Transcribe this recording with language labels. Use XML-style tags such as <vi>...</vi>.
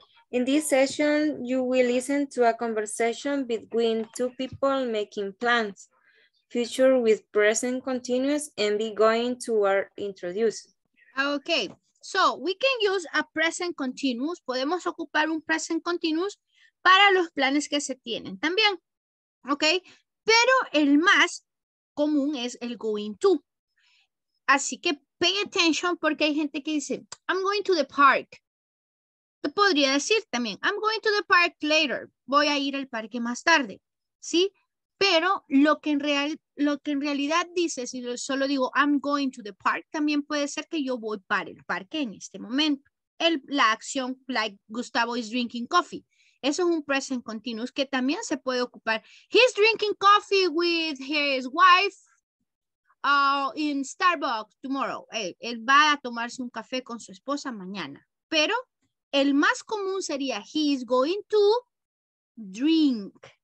<en>In this session, you will listen to a conversation between two people making plans, future with present continuous, and be going to our introduce. Okay. So, we can use a present continuous.</en> <es>Podemos ocupar un present continuous para los planes que se tienen también. ¿Ok? Pero el más común es el going to. Así que</es> <en>pay attention</en> <es>porque hay gente que dice,</es> <en>I'm going to the park.</en> <es>Te podría decir también,</es> <en>I'm going to the park later.</en> <es>Voy a ir al parque más tarde. ¿Sí? Pero lo que en realidad dice, si solo digo</es> <en>I'm going to the park,</en> <es>también puede ser que yo voy para el parque en este momento. La acción,</es> <en>like Gustavo is drinking coffee.</en> <es>Eso es un present continuous que también se puede ocupar.</es> <en>He's drinking coffee with his wife in Starbucks tomorrow.</en> <es>Él va a tomarse un café con su esposa mañana. Pero el más común sería</es> <en>he is going to drink.</en>